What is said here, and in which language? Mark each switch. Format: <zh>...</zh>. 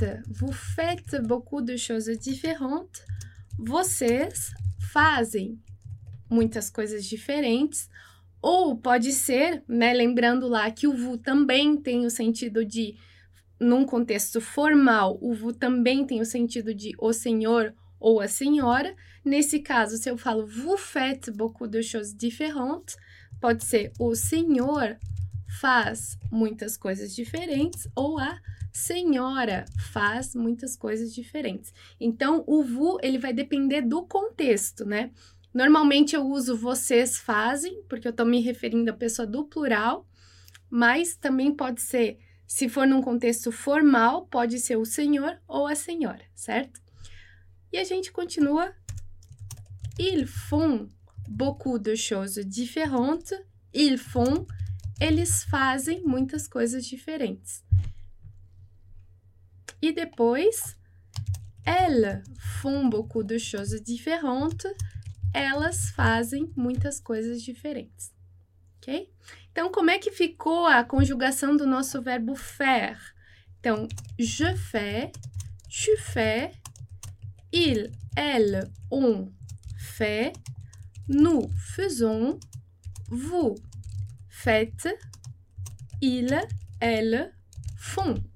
<fr>Vous faites beaucoup de choses différentes.</fr> <pt>Vocês fazem muitas coisas diferentes. Ou pode ser, né, lembrando lá que o vous também tem o sentido de, num contexto formal, o vous também tem o sentido de o senhor ou a senhora. Nesse caso, se eu falo</pt> <fr>vous faites beaucoup de choses différentes,</fr> <pt>pode ser o senhor faz muitas coisas diferentes ou a senhora faz muitas coisas diferentes. Então, o vous, ele vai depender do contexto, né? Normalmente eu uso vocês fazem, porque eu estou me referindo à pessoa do plural, mas também pode ser Se for num contexto formal, pode ser o senhor ou a senhora, certo? E a gente continua.</pt> <fr>Ils font beaucoup de choses différentes. Ils font.</fr> <pt>Eles fazem muitas coisas diferentes. E depois.</pt> <fr>Elles font beaucoup de choses différentes.</fr> <pt>Elas fazem muitas coisas diferentes. Ok? Então, como é que ficou a conjugação do nosso verbo faire?</pt> <fr>Então, je fais, tu fais, ils, elles, on fait, nous faisons, vous faites, ils, elles font.</fr>